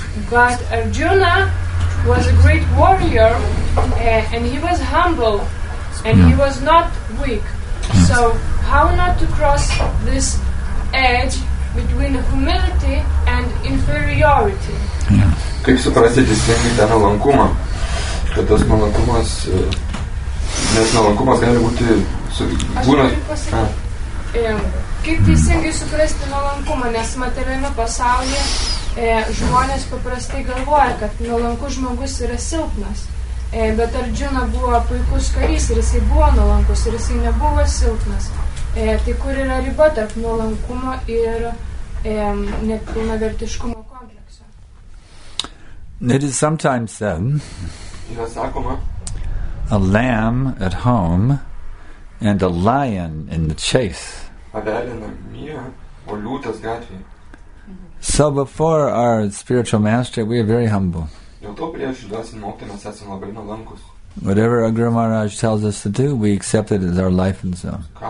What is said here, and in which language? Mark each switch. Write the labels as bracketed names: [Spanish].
[English] But Arjuna was a great warrior, and he was humble, and he was not weak. So, how not to cross this edge between humility and inferiority? [Lithuanian] Kaip suprasti teisingai tą nuolankumą? kad tas malonumas, nes malonumas gali būti su būna. Kaip teisingai suprasti malonumą, nes materialiame pasaulyje žmonės paprastai galvoja, kad nuolankus žmogus yra silpnas. Bet Arjuna buvo puikus karys ir jisai buvo nuolankus ir jisai nebuvo silpnas. Tai kur yra riba tarp nuolankumo ir nepilnavertiškumo komplekso? [English] It is sometimes said, [Lithuanian] yra sakoma, [English] a lamb at home and a lion in the chase. [Lithuanian] Avelė namie, o liūtas gatvė. [English] So before our spiritual master, we are very humble. Whatever Guru Maharaj tells us to do, we accept it as our life and so.